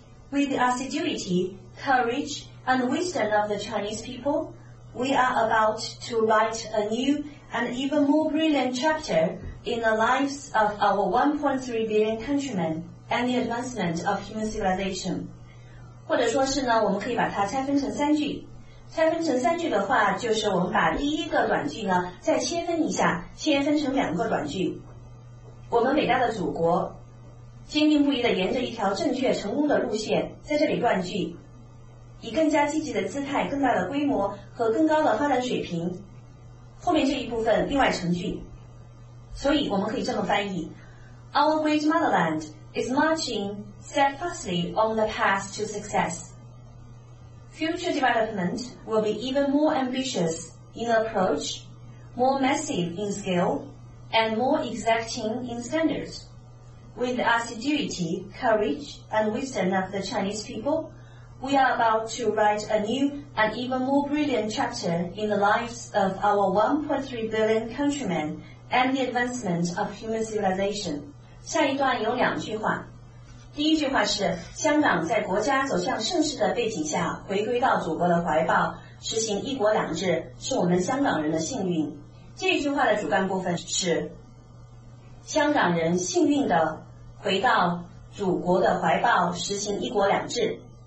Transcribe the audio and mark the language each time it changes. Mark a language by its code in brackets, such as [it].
[en] With the assiduity, courage and wisdom of the Chinese people, we are about to write a new and even more brilliant chapterin the lives of our 1.3 billion countrymen and the advancement of human civilization. [zh] 或者说是呢，我们可以把它拆分成三句。拆分成三句的话，就是我们把第一个短句呢再切分一下，切分成两个短句。我们伟大的祖国坚定不移地沿着一条正确成功的路线，在这里断句，以更加积极的姿态、更大的规模和更高的发展水平，后面这一部分另外成句。所以我们可以这么翻译， [en] Our great motherland is marching steadfastly on the path to success. Future development will be even more ambitious in approach, more massive in scale, and more exacting in standards. With the assiduity, courage, and wisdom of the Chinese people, we are about to write a new and even more brilliant chapter in the lives of our 1.3 billion countrymen,and the advancement of human civilization. [zh] 下一段有两句话。第一句话是，香港在国家走向盛世的背景下回归到祖国的怀抱，实行一国两制是我们香港人的幸运。这一句话的主干部分是，香港人幸运地回到祖国的怀抱，实行一国两制。